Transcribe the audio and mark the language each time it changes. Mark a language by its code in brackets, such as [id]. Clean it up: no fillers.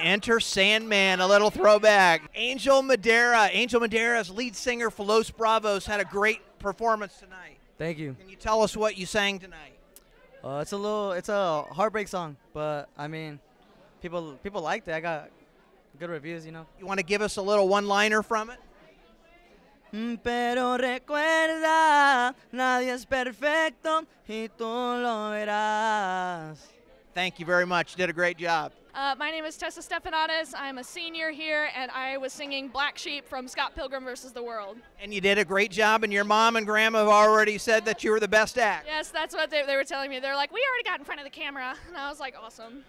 [en] Enter Sandman. A little throwback. Angel Madera. Angel Madera's lead singer for Los Bravos had a great performance tonight. Thank you. Can you tell us what you sang tonight? It's a heartbreak song, but I mean, people liked it. I got good reviews, you know. You want to give us a little one-liner from it? [es] Pero recuerda, nadie es perfecto y tú lo verás. [en] Thank you very much. You did a great job. My name is Tessa Stephanatis. I'm a senior here, and I was singing Black Sheep from Scott Pilgrim versus the World. And you did a great job, and your mom and grandma have already said that you were the best act. Yes, that's what they were telling me. They're like, we already got in front of the camera. And I was like, awesome.